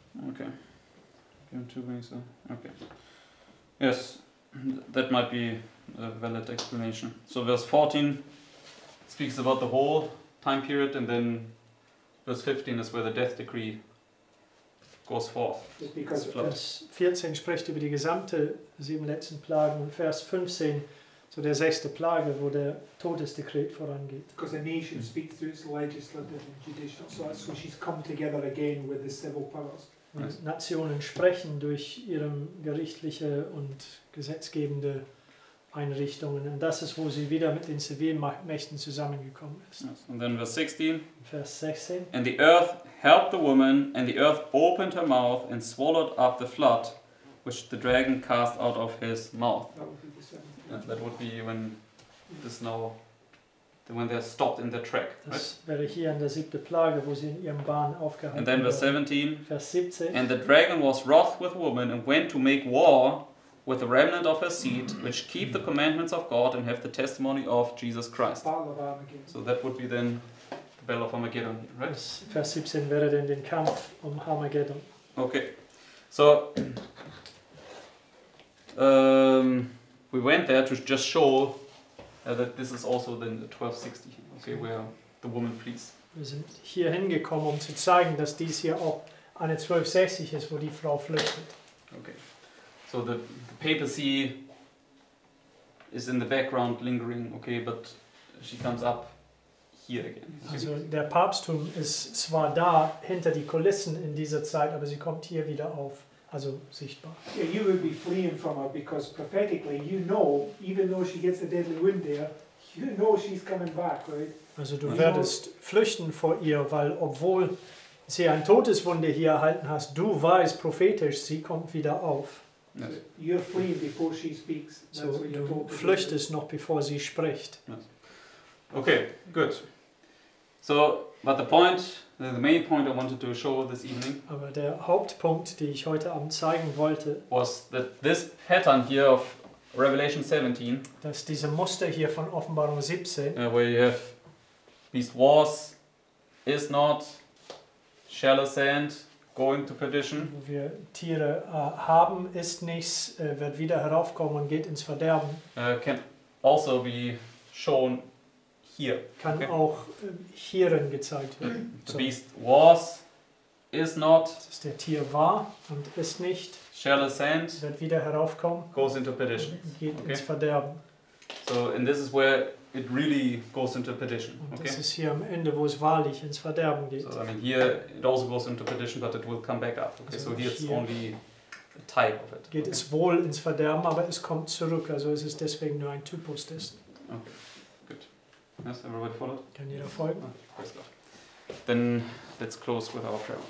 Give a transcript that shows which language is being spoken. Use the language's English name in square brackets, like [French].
[English] Okay, going to bring some. Okay, yes, that might be a valid explanation. So verse 14 speaks about the whole time period, and then verse 15 is where the death decree goes forth. It's because [German] Vers 14 spricht über die gesamte sieben letzten Plagen, und Vers 15 so der sechste Plage, wo der Todesdekret vorangeht. [English] Because the nation speaks through its legislative and judicial, so that's when she's come together again with the civil powers. [German] Und Nationen sprechen durch ihre gerichtliche und gesetzgebende Einrichtungen. Und das ist, wo sie wieder mit den Zivilmächten zusammengekommen ist. [English] Yes. And then verse 16. [German] Vers 16. [English] And the earth helped the woman, and the earth opened her mouth and swallowed up the flood, which the dragon cast out of his mouth. That would be the 17th. Yeah, that would be when they're stopped in their track. [German] Das [English] right? [German] wäre hier in der siebte Plage, wo sie in ihrem Bahn aufgehalten werden. [English] And then verse 17. [German] Vers 17. [English] And the dragon was wroth with woman and went to make war with the remnant of her seed, which keep the commandments of God and have the testimony of Jesus Christ. So that would be then the battle of Armageddon, right? [German] Vers 17 wäre dann den Kampf Armageddon. [English] Okay. So we went there to just show that this is also then the 1260, okay, where the woman flees. [German] Wir sind hier hingekommen, um zu zeigen, dass dies hier auch eine 1260 ist, wo die Frau flüchtet. [English] Okay, so the papacy is in the background lingering, okay, but she comes up here again. Okay. [German] Also der Papsttum ist zwar da hinter die Kulissen in dieser Zeit, aber sie kommt hier wieder auf. Also sichtbar. [English] Yeah, you will be fleeing from her because prophetically you know, even though she gets a deadly wound there, you know she's coming back, right? [German] Also du werdest flüchten vor ihr, weil obwohl sie ein Todeswunde hier erhalten hast, du weißt prophetisch, sie kommt wieder auf. [English] Yes. You're fleeing before she speaks. That's [German] so du flüchtest noch bevor sie spricht. [English] Yes. Okay, good. So, but the point... The main point I wanted to show this evening. [German] Aber der Hauptpunkt, den ich heute Abend zeigen wollte, [English] was that this pattern here of Revelation 17. [German] Dass diese Muster hier von Offenbarung 17. [English] Where you have beast wars, is not, shall ascend, going to perdition. [German] Wo wir Tiere haben, ist nichts, wird wieder heraufkommen und geht ins Verderben. [English] Can also be shown. Here. [German] Kann okay. auch hierin gezeigt werden. [English] The beast was, is not. [German] Das ist der Tier war und ist nicht. [English] Shall ascend. [German] Wird wieder heraufkommen. [English] Goes into perdition. [German] Geht okay. ins Verderben. [English] So, and this is where it really goes into perdition. [German] Und [English] okay. [German] das ist hier am Ende, wo es wahrlich ins Verderben geht. [English] So, I mean, here it also goes into perdition, but it will come back up. Okay, also so here it's only a type of it. [German] Geht [English] okay. [German] es wohl ins Verderben, aber es kommt zurück. Also es ist deswegen nur ein Typus dessen. [English] Okay. Yes, everybody followed? [German] Kann jeder folgen? [English] Praise God. Then let's close with our prayer.